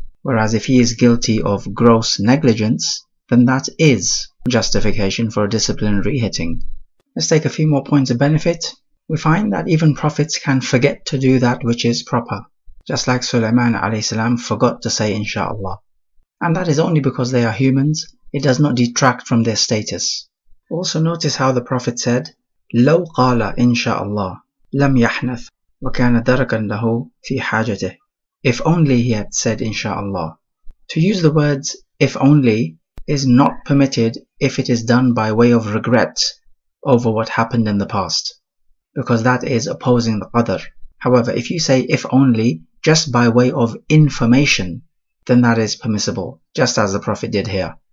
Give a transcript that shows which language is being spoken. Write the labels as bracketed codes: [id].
[en] Whereas if he is guilty of gross negligence, then that is justification for a disciplinary hitting. Let's take a few more points of benefit. We find that even prophets can forget to do that which is proper, just like Sulaiman alayhi salam forgot to say inshallah. And that is only because they are humans. It does not detract from their status. Also notice how the Prophet said, [ar] لو قال انشاءالله لم يحنث وكان دركا له في حاجته. [en] If only he had said inshallah. To use the words if only is not permitted if it is done by way of regret over what happened in the past, because that is opposing the qadr. However, if you say if only just by way of information, then that is permissible, just as the Prophet did here.